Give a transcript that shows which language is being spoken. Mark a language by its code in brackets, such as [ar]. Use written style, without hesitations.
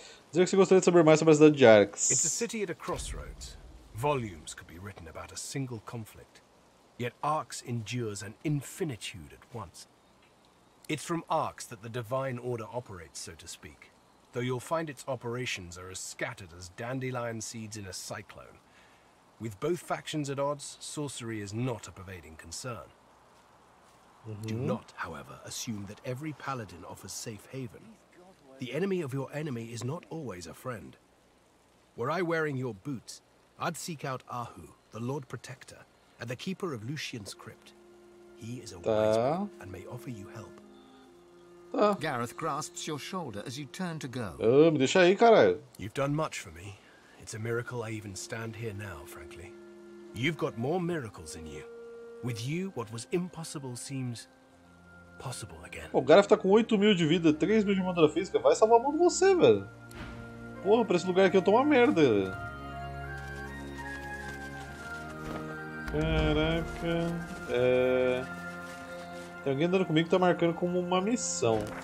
[pt] Dizer que você gostaria de saber mais sobre a cidade de [en] It's a city at a crossroads. Volumes could be written about a single conflict. Yet ARX endures an infinitude at once. It's from ARX that the Divine Order operates, so to speak. Though you'll find its operations are as scattered as dandelion seeds in a cyclone. With both factions at odds, sorcery is not a pervading concern. Do not, however, assume that every paladin offers safe haven. The enemy of your enemy is not always a friend. Were I wearing your boots, I'd seek out Ahu, the Lord Protector, and the keeper of Lucian's crypt. He is a wise man [pt] Tá. [en] and may offer you help. [pt] Tá. [en] Gareth grasps your shoulder as you turn to go. [pt] Me deixa aí, cara. [en] You've done much for me. It's a miracle I even stand here now, frankly. You've got more miracles in you. With you, what was impossible seems possible again. [pt] O cara tá com 8 mil de vida, 3 mil de armadura física. Vai salvar a mão de você, velho. Porra, pra esse lugar aqui eu tô uma merda. Caraca. Tem alguém andando comigo que tá marcando como uma missão.